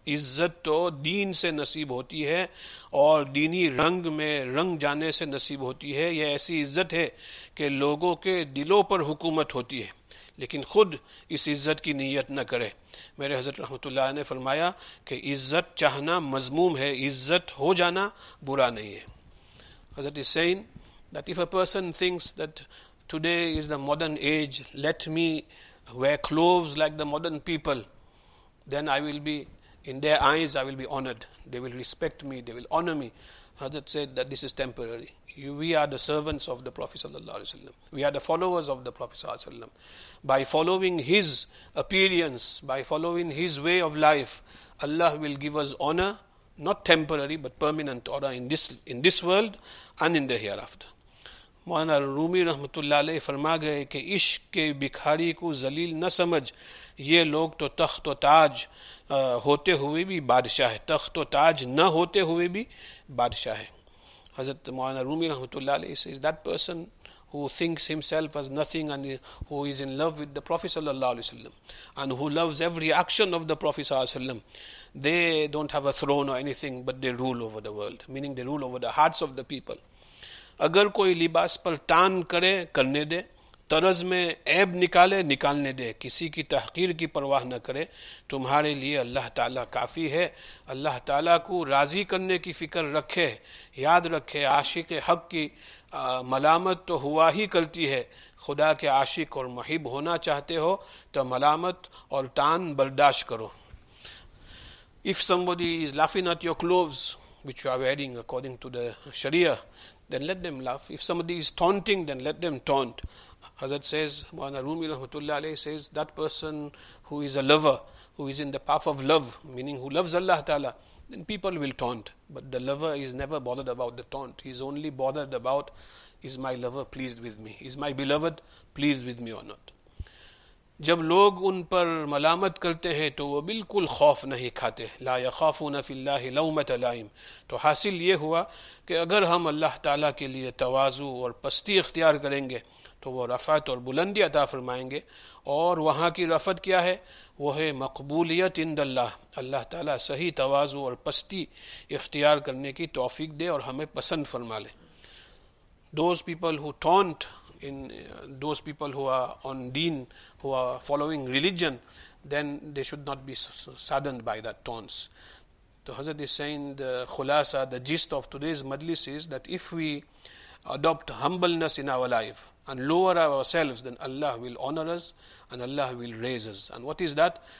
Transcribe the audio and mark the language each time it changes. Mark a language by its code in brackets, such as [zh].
[ur] عزت تو دین سے نصیب ہوتی ہے اور دینی رنگ میں رنگ جانے سے نصیب ہوتی ہے. یہ ایسی عزت ہے کہ لوگوں کے دلوں پر حکومت ہوتی ہے, لیکن خود اس عزت کی نیت نہ کرے. میرے حضرت رحمۃ اللہ نے فرمایا کہ عزت چاہنا مذموم ہے, عزت ہو جانا برا نہیں ہے. [en] حضرت is saying that if a person thinks that today is the modern age, let me wear clothes like the modern people, then I will be, in their eyes, I will be honored. They will respect me, they will honor me. Hazrat said that this is temporary. We are the servants of the Prophet sallallahu alaihi wasallam. We are the followers of the Prophet sallallahu alaihi wasallam. By following his appearance, by following his way of life, Allah will give us honor, not temporary, but permanent honor in this world and in the hereafter. [ur] مولانا رومی رحمۃ اللہ علیہ فرما گئے کہ عشق کے بھکھاری کو ذلیل نہ سمجھ, یہ لوگ تو تخت و تاج ہوتے ہوئے بھی بادشاہ ہے, تخت و تاج نہ ہوتے ہوئے بھی بادشاہ ہے. [en] حضرت مولانا رومی رحمۃ اللہ علیہ says that person who thinks himself as nothing and who is in love with the Prophet صلی اللہ علیہ وسلم and who loves every action of the Prophet صلی اللہ علیہ وسلم, they don't have a throne or anything, but they rule over the world, meaning they rule over the hearts of the people. [ur] اگر کوئی لباس پر تان کرے کرنے دے, طرز میں عیب نکالے نکالنے دے, کسی کی تحقیر کی پرواہ نہ کرے, تمہارے لیے اللہ تعالیٰ کافی ہے. اللہ تعالیٰ کو راضی کرنے کی فکر رکھے, یاد رکھے, عاشق حق کی ملامت تو ہوا ہی کرتی ہے. خدا کے عاشق اور محب ہونا چاہتے ہو تو ملامت اور تان برداشت کرو. [en] If somebody is laughing at your clothes which you are wearing according to the Sharia, then let them laugh. If somebody is taunting, then let them taunt. Hazrat says, Mawlana Rumi rahmatullah alayhi says, that person who is a lover, who is in the path of love, meaning who loves Allah Ta'ala, then people will taunt. But the lover is never bothered about the taunt. He is only bothered about, is my lover pleased with me? Is my beloved pleased with me or not? [ur] جب لوگ ان پر ملامت کرتے ہیں تو وہ بالکل خوف نہیں کھاتے, [ar] لا يخافون في الله لومة لائم. [ur] تو حاصل یہ ہوا کہ اگر ہم اللہ تعالیٰ کے لیے تواضع اور پستی اختیار کریں گے تو وہ رفعت اور بلندی عطا فرمائیں گے, اور وہاں کی رفعت کیا ہے؟ وہ ہے مقبولیت عند اللہ. اللہ تعالیٰ صحیح تواضع اور پستی اختیار کرنے کی توفیق دے اور ہمیں پسند فرما لے. [en] Those people who taunt in those people who are on deen, who are following religion, then they should not be saddened by that taunts. The Hazrat is saying the khulasa, the gist of today's majlis is that if we adopt humbleness in our life and lower ourselves, then Allah will honor us and Allah will raise us. And what is that?